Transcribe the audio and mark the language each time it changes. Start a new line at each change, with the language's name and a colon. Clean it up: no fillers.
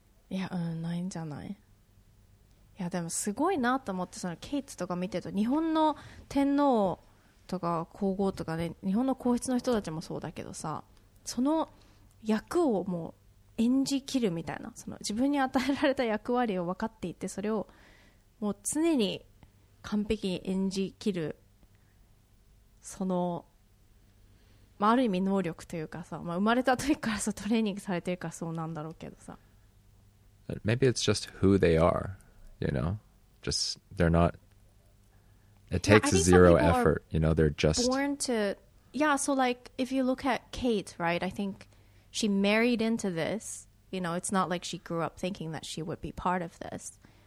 English: Yeah,
Japanese: ないんじゃない?
English: Yeah,
Japanese: でもすごいなと思ってそのケイツとか見てると日本の天皇とか皇后とかね日本の皇室の人たちもそうだけどさその役をもう演じきるみたいなその自分に与えられた役割を分かっていてそれをもう常に完璧に演じきるその、まあ、ある意味能力というかさ、まあ、生まれた時からさトレーニングされてるからそうなんだろうけどさ
English: Maybe it's just who they are, you know? Just, they're not... It takes zero effort, you know? They're just... Born to... Yeah, so like, if you look at Kate, right? I think she married into this. You know, it's not like she grew up thinking that she would be part of this.